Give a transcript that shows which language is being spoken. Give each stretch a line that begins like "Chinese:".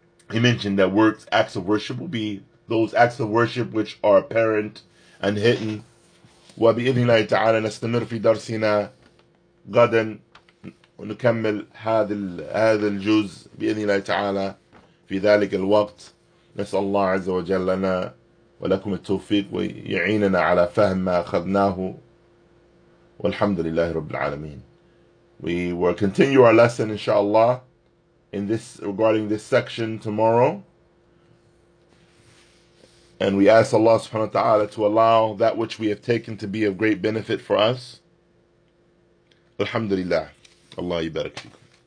English: He mentioned that works, acts of worship will be those acts of worship which are apparent and hidden.
Arabic: وَبِإِذْنِ اللَّهِ تَعَالَى نَسْتَمِرْ فِي دَرْسِنَا غدا ونكمل هذا الجزء بإذن الله تعالى في ذلك الوقت. نسأل الله عز وجل لنا ولكم التوفيق ويعيننا على فهم ما أخذناه والحمد لله رب العالمين.
English: We will continue our lesson inshallah in this regarding this section tomorrow, and we ask Allah subhanahu wa ta'ala to allow that which we have taken to be of great benefit for us.
Arabic: الحمد لله الله يبارك فيك.